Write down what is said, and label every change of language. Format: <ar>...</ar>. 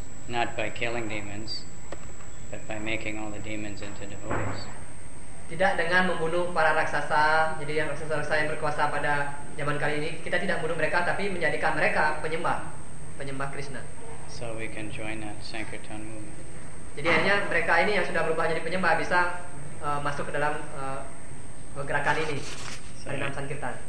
<en>Not by killing demons, but by making all the demons into devotees.</en> <id>Tidak dengan membunuh para raksasa, jadi yang raksasa-raksasa yang berkuasa pada zaman kali ini, kita tidak membunuh mereka, tapi menjadikan mereka penyembah Krishna.</id> <en>So we can join that Sankirtan movement.</en> <id>Jadi hanya mereka ini yang sudah berubah jadi penyembah bisa masuk ke dalam gerakan ini, Harinam Sankirtan.</id>